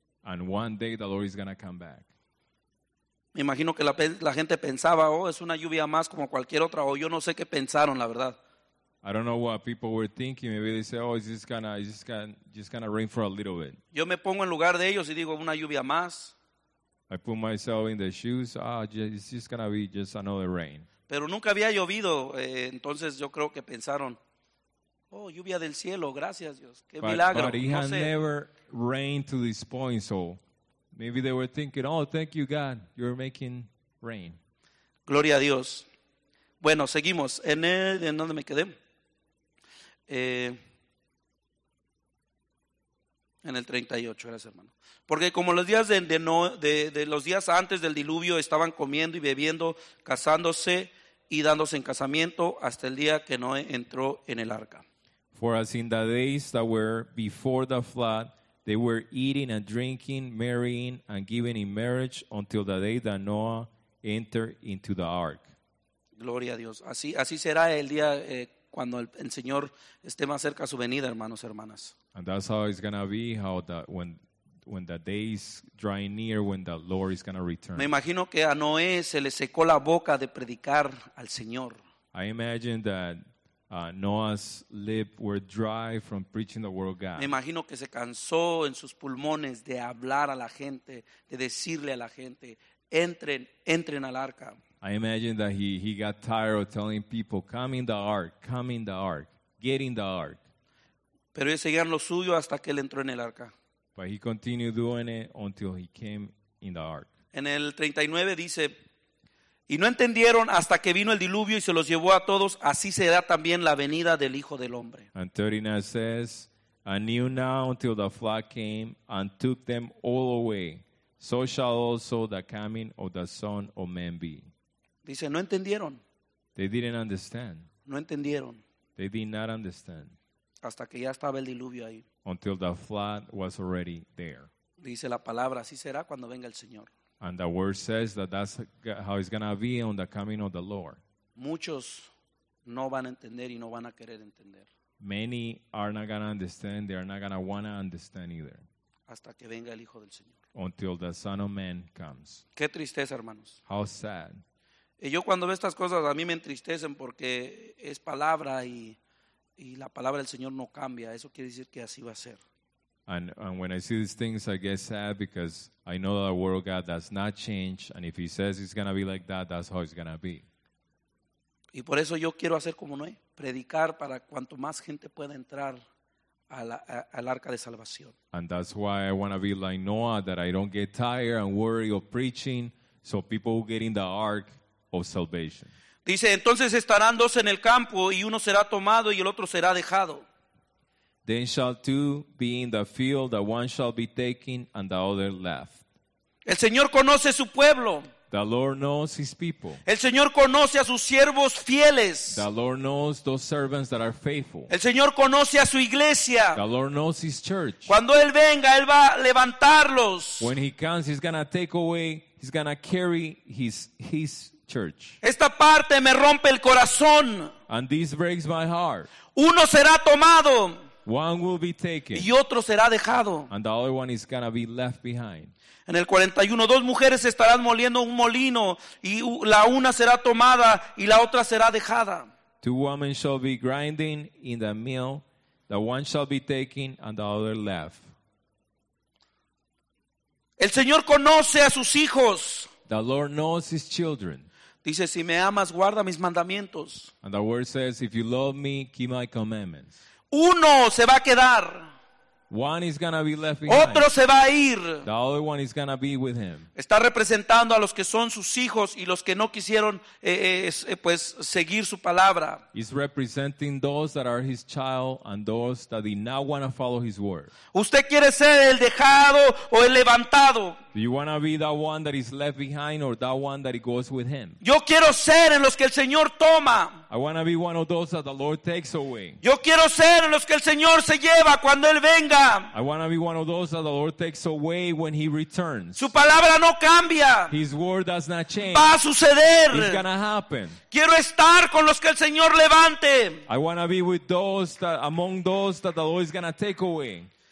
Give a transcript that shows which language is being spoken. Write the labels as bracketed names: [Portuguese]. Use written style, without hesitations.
[English] And one day the Lord is going to come back. [Spanish] Me imagino que la gente pensaba, oh, es una lluvia más como cualquier otra, o yo no sé qué pensaron, la verdad. [English] I don't know what people were thinking. Maybe they say, oh, it's just gonna rain for a little bit. [Spanish] Yo me pongo en lugar de ellos y digo, una lluvia más. [English] I put myself in their shoes. Ah, oh, it's just gonna be just another rain. [Spanish] Pero nunca había llovido, entonces yo creo que pensaron, oh, lluvia del cielo, gracias Dios, qué milagro. [English] But it [Spanish] no [English] had [Spanish] sé. [English] Never rained to this point, so. Maybe they were thinking, oh, thank you, God, you're making rain. [Spanish] Gloria a Dios. Bueno, seguimos. ¿En dónde me quedé? En el 38, gracias, hermano. Porque como los días de los días antes del diluvio estaban comiendo y bebiendo, casándose y dándose en casamiento hasta el día que Noé entró en el arca. [English] For as in the days that were before the flood, they were eating and drinking, marrying and giving in marriage until the day that Noah entered into the ark. [Spanish] Gloria a Dios. Así será el día cuando el Señor esté más cerca a su venida, hermanos, hermanas. [English] And that's how it's going to be, when the day is drawing near, when the Lord is going to return. [Spanish] Me imagino que a Noé se le secó la boca de predicar al Señor. [English] I imagine that Noah's lip were dry from preaching the word of God. [Spanish] Me imagino que se cansó en sus pulmones de hablar a la gente, de decirle a la gente, entren al arca. [English] I imagine that he got tired of telling people, come in the ark, get in the ark. [Spanish] Pero ellos seguían lo suyo hasta que él entró en el arca. [English] But he continued doing it until he came in the ark. [Spanish] En el 39 dice: y no entendieron hasta que vino el diluvio y se los llevó a todos, así será también la venida del Hijo del Hombre. [English] And 39 says, and knew now until the flood came and took them all away, so shall also the coming of the Son of Man be. [Spanish] Dice, no entendieron. [English] They didn't understand. [Spanish] No entendieron. [English] They did not understand. [Spanish] Hasta que ya estaba el diluvio ahí. [English] Until the flood was already there. [Spanish] Dice la palabra, así será cuando venga el Señor. [English] And the word says that that's how it's going to be on the coming of the Lord. [Spanish] Muchos no van a entender y no van a querer entender. [English] Many are not going to understand. They are not going to want to understand either. [Spanish] Hasta que venga el Hijo del Señor. [English] Until the Son of Man comes. [Spanish] Qué tristeza, hermanos. [English] How sad. [Spanish] Y yo cuando veo estas cosas a mí me entristecen porque es palabra y la palabra del Señor no cambia. Eso quiere decir que así va a ser. [English] And when I see these things, I get sad because I know that the word of God does not change. And if he says it's going to be like that, that's how it's going to be. [Spanish] Y por eso yo quiero hacer como Noé, predicar para cuanto más gente pueda entrar al arca de salvación. [English] And that's why I want to be like Noah, that I don't get tired and worry of preaching, so people who get in the ark of salvation. [Spanish] Dice, entonces estarán dos en el campo y uno será tomado y el otro será dejado. [English] Then shall two be in the field, the one shall be taken and the other left. [Spanish] El Señor conoce su pueblo. [English] The Lord knows his people. [Spanish] El Señor conoce a sus siervos fieles. [English] The Lord knows those servants that are faithful. [Spanish] El Señor conoce a su iglesia. [English] The Lord knows his church. [Spanish] Cuando él venga, él va a levantarlos. [English] When he comes, he's going to take away, he's going to carry his church. [Spanish] Esta parte me rompe el corazón. [English] And this breaks my heart. [Spanish] Uno será tomado. [English] One will be taken. [Spanish] Y otro será dejado. [English] And the other one is going to be left behind. [Spanish] En el 41, dos mujeres estarán moliendo un molino y la una será tomada y la otra será dejada. [English] Two women shall be grinding in the mill. The one shall be taken and the other left. [Spanish] El Señor conoce a sus hijos. [English] The Lord knows his children. [Spanish] Dice, si me amas, guarda mis mandamientos. [English] And the word says, if you love me, keep my commandments. [Spanish] Uno se va a quedar. [English] One is going to be left behind. [Spanish] Otro se va a ir. [English] The other one is going to be with him. [Spanish] Está representando a los que son sus hijos y los que no quisieron pues seguir su palabra. [English] He's representing those that are his child and those that did not want to follow his word. [Spanish] ¿Usted quiere ser el dejado o el levantado? [English] Do you want to be that one that is left behind or that one that goes with him? [Spanish] Yo quiero ser en los que el Señor toma. [English] I want to be one of those that the Lord takes away. [Spanish] Yo quiero ser en los que el Señor se lleva cuando él venga. [English] I want to be one of those that the Lord takes away when he returns. [Spanish] Su palabra no cambia. [English] His word does not change. [Spanish] Va a suceder. [English] It's going to happen. [Spanish] Quiero estar con los que el Señor levante. [English] I want to be with those that among those that the Lord is going to take away.